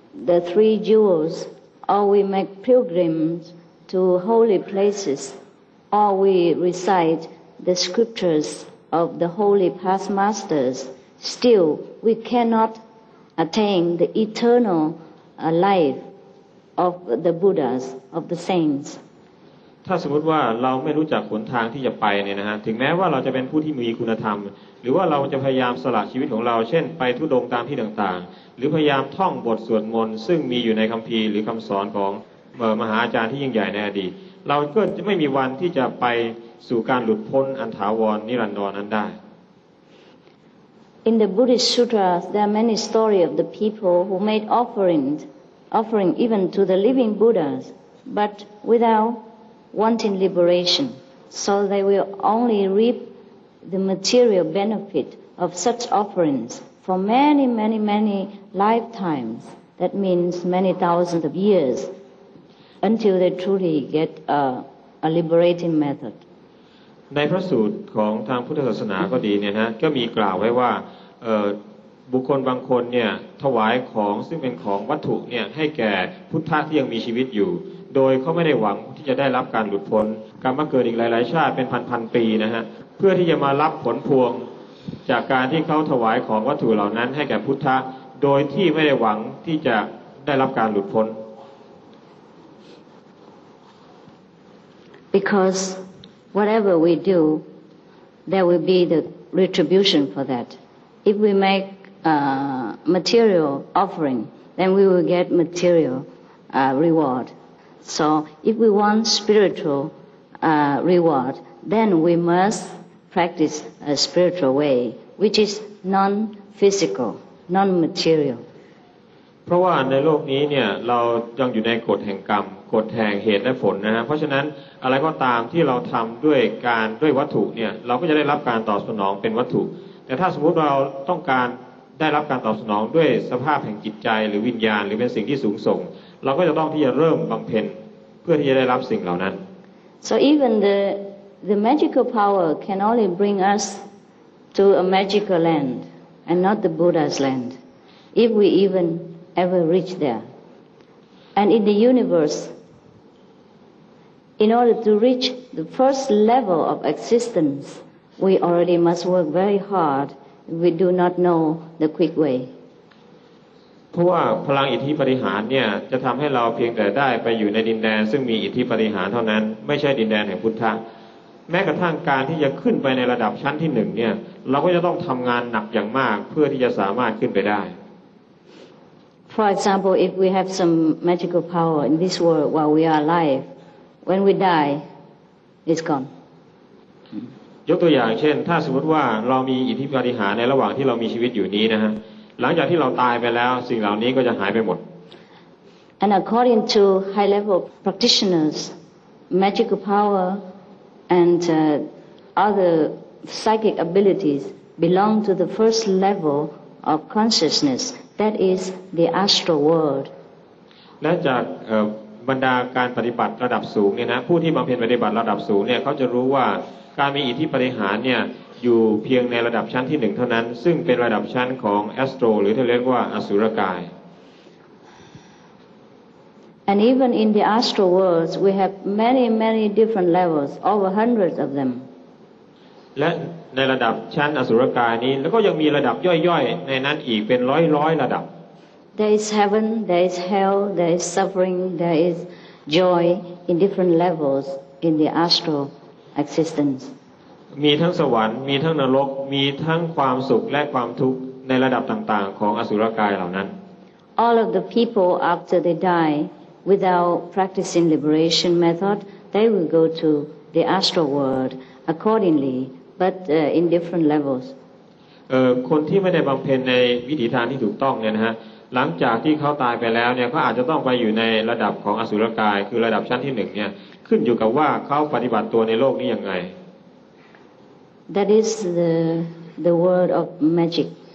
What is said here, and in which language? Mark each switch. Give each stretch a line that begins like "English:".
English: the three jewelsOr we make pilgrims to holy places, or we recite the scriptures of the holy past masters, still we cannot attain the eternal life of the Buddhas, of the saints.
Thai: ถ้าสมมติว่าเราไม่รู้จักหนทางที่จะไปเนี่ยนะฮะถึงแม้ว่าเราจะเป็นผู้ที่มีคุณธรรมหรือว่าเราจะพยายามสละชีวิตของเราเช่นไปทุรดงตามที่ต่างๆหรือพยายามท่องบทสวดมนต์ซึ่งมีอยู่ในคัมภีร์หรือคำสอนของมหาอาจารย์ที่ยิ่งใหญ่ในอดีตเราก็จะไม่มีวันที่จะไปสู่การหลุดพ้นอันถาวร นิรันดร นั้นได้
English: In the Buddhist sutras there are many story of the people who made offering even to the living Buddhas but without wanting liberation so they will only reapthe material benefit of such offerings for many, many, many lifetimes. That means many thousands of years until they truly get a liberating method.
Thai: ในพระสูตรของทางพุทธศาสนาก็ดีเนี่ยฮะก็มีกล่าวไว้ว่าบุคคลบางคนเนี่ยถวายของซึ่งเป็นของวัตถุเนี่ยให้แก่พุทธะที่ยังมีชีวิตอยู่โดยเขาไม่ได้หวังที่จะได้รับการหลุดพ้นกลับมาเกิดอีกหลายๆชาติเป็นพันๆปีนะฮะเพื่อที่จะมารับผลพวงจากการที่เขาถวายของวัตถุเหล่านั้นให้แก่พุทธะโดยที่ไม่ได้หวังที่จะได้รับการหลุดพ้น
English: Because whatever we do there will be the retribution for that if we make a material offering then we will get material reward so if we want spiritual reward then we mustpractice a spiritual way which is non-physical non-material
Thai: เพราะว่าในโลกนี้เนี่ยเรายังอยู่ในกฎแห่งกรรมกฎแห่งเหตุและผลนะฮะเพราะฉะนั้นอะไรก็ตามที่เราทำด้วยการด้วยวัตถุเนี่ยเราก็จะได้รับการตอบสนองเป็นวัตถุแต่ถ้าสมมุติเราต้องการได้รับการตอบสนองด้วยสภาพแห่งจิตใจหรือวิญญาณหรือเป็นสิ่งที่สูงส่งเราก็จะต้องที่จะเริ่มบำเพ็ญเพื่อที่จะได้รับสิ่งเหล่านั้น
English: so even the magical power can only bring us to a magical land and not the Buddha's land if we even ever reach there and in the universe in order to reach the first level of existence we already must work very hard we do not know the quick way
Thai: เพราะว่าพลังอิทธิปฏิหารเนี่ยจะทําให้เราเพียงแต่ได้ไปอยู่ในดินแดนซึ่งมีอิทธิปฏิหารเท่านั้นไม่ใช่ดินแดนแห่งพุทธะแม้กระทั่งการที่จะขึ้นไปในระดับชั้นที่หนึ่งเนี่ยเราก็จะต้องทำงานหนักอย่างมากเพื่อที่จะสามารถขึ้นไปได้
English: For example, if we have some magical power in this world while we are alive, when we die, it's gone.
Thai: ยกตัวอย่างเช่นถ้าสมมติว่าเรามีอิทธิปาฏิหาริย์ในระหว่างที่เรามีชีวิตอยู่นี้นะฮะหลังจากที่เราตายไปแล้วสิ่งเหล่านี้ก็จะหายไปหมด
English: And according to high level practitioners, magical powerand other psychic abilities belong to the first level of consciousness that is the astral world
Thai: และจากบรรดาการปฏิบัติระดับสูงเนี่ยนะผู้ที่บำเพ็ญปฏิบัติระดับสูงเนี่ยเขาจะรู้ว่าการมีอิทธิปฏิหารเนี่ยอยู่เพียงในระดับชั้นที่1เท่านั้นซึ่งเป็นระดับชั้นของ astral หรือที่เรียกว่าอสุรกาย
English: And even in the astral worlds, we have many, many different levels, over hundreds of them.
Thai: และในระดับชั้นอสุรกายนี้แล้วก็ยังมีระดับย่อยๆในนั้นอีกเป็นร้อยๆระดับ
English: There is heaven, there is hell, there is suffering, there is joy in different levels in the astral existence.
Thai: มีทั้งสวรรค์มีทั้งนรกมีทั้งความสุขและความทุกข์ในระดับต่างๆของอสุรกายเหล่านั้น
English: All of the people after they dieWithout practicing liberation method, they will go to the astral world accordingly, but in different levels.
Thai: คนที่ไม่ได้บำเพ็ญในวิถีทางที่ถูกต้องเนี่ยนะฮะหลังจากที่เขาตายไปแล้วเนี่ยเขาอาจจะต้องไปอยู่ในระดับของอสุรกายคือระดับชั้นที่หนึ่งเนี่ยขึ้นอยู่กับว่าเขาปฏิบัติตัวในโลกนี้ยังไง
English: That is the world of magic.